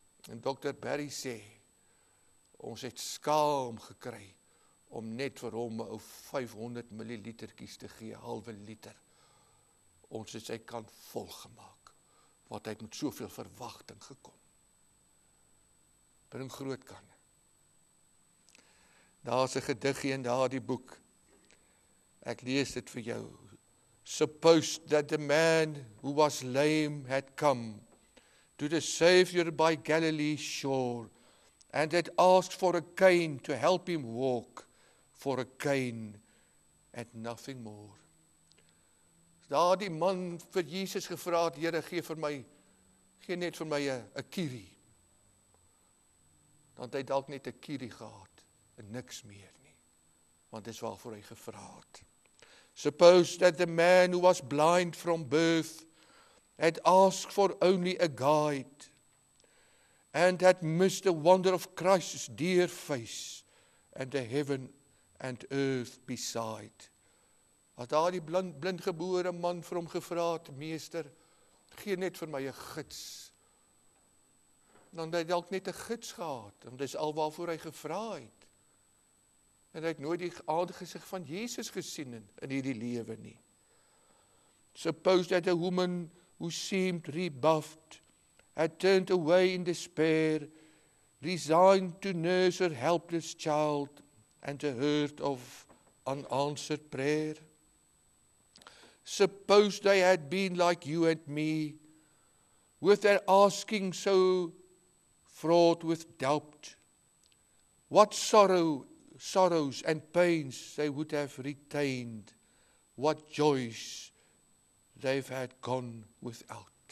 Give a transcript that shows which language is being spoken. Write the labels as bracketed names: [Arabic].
[Afrikaans] En dokter Berry sê, ons het skaam gekry, om net vir hom 500 millilitertjies te gee, halwe liter. Ons het sy kan volgemaak, wat hy met soveel verwagting gekom. Bring groot kan. Daar is 'n gediggie in daardie boek. Ek lees dit vir jou. [English] Suppose that the man who was lame had come to the Savior by Galilee's shore and had asked for a cane to help him walk. For a cane and nothing more. [Afrikaans] Daar die man vir Jesus gevra het, Here, gee net vir my 'n kierie. Dan het hy dalk net 'n kierie gehad en niks meer nie. Want dis waarvoor hy gevra het. [English] Suppose that the man who was blind from birth had asked for only a guide and had missed the wonder of Christ's dear face and the heaven and earth beside. [Afrikaans] As daar die blindgebore man vir hom gevra het, meester, gee net vir my 'n gids. Dan het hy dalk net 'n gids gehad, want dis al waarvoor hy gevra het. En hy het nooit die aangesig van Jesus gesien in hierdie lewe nie. [English] Suppose that a woman who seemed rebuffed had turned away in despair, resigned to nurse her helpless child, and a heard of unanswered prayer. Suppose they had been like you and me, with their asking so fraught with doubt, what sorrows and pains they would have retained, what joys they've had gone without.